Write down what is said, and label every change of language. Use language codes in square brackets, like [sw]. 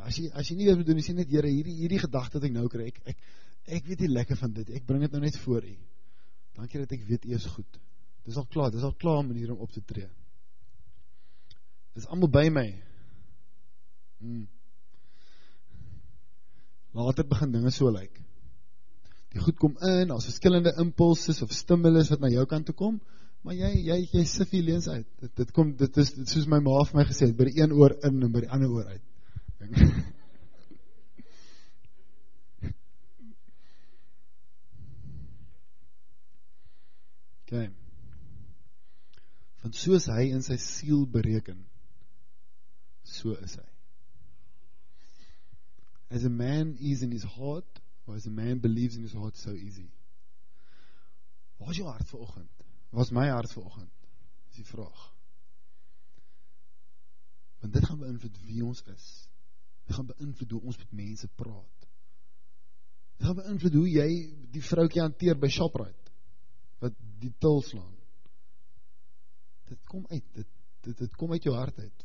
[af] As jy nie weet wat doen, sê net Here, hierdie gedagte wat ek nou kry, ek weet nie lekker van dit. Ek bring dit nou net voor U. Dankie dat ek weet U is goed. Dis al klaar 'n manier om op te tree. Dis almal by my. Later begin dinge so lyk. Die goed kom in, daar's verskillende impulses of stimulus wat na jou kant toe kom, maar jy sif die leens uit. Dit is soos my ma vir my gesê het, by die een oor in en by die ander oor uit. Okay. Want soos hy in sy siel bereken, so is hy. [en] As a man is in his heart, or as a man believes in his heart, so is he. [af] Waar is jou hart vanoggend? Waar is my hart vanoggend? Is die vraag. Want dit gaan beïnvloed wie ons is. Dit gaan beïnvloed hoe ons met mense praat. Dit gaan beïnvloed hoe jy die vroukie hanteer by Shoprite, wat die til slaan. Dit kom uit, dit kom uit jou hart uit.